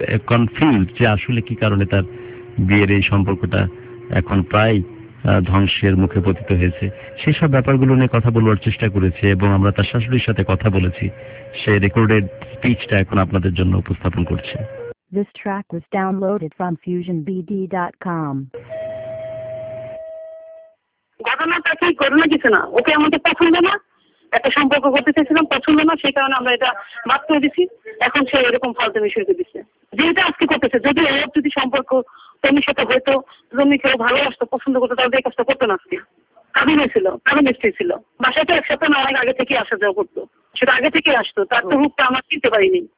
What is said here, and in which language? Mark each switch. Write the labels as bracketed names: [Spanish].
[Bangla] Confuse যে আসলে কি কারণে তার বিয়ের এই সম্পর্কটা এখন প্রায় ধ্বংসের মুখে পতিত হয়েছে, সেই সব ব্যাপারগুলো নিয়ে কথা বলার চেষ্টা করেছে এবং আমরা তার শাশুড়ির সাথে কথা বলেছি, সে রেকর্ডেড স্পিচটা এখন আপনাদের জন্য উপস্থাপন করছে। [English] This track was downloaded from fusionbd.com. [Bangla] ঘটনাটা কি করলো কিছু না, ওকে আমাকে পছন্দ না, একটা সম্পর্ক করতে চেয়েছিলাম পছন্দ না, সেই কারণে আমরা এটা বাদ করে দিচ্ছি, এখন সে এরকম ফালতামি শুরু করে দিচ্ছে যেটা আজকে করতেছে। যদি ওর যদি সম্পর্ক তোমার সাথে হইতো, তুমি কেউ ভালোবাসতো পছন্দ করতো, তাহলে এই কাজটা করতো না, কাবিনে ছিল কাবিনে স্ত্রী ছিল, বাসাতে একসাথে না অনেক আগে থেকে আসা যাওয়া করতো, সেটা আগে থেকে আসতো, তার তো রূপটা আমার চিনতে পারিনি।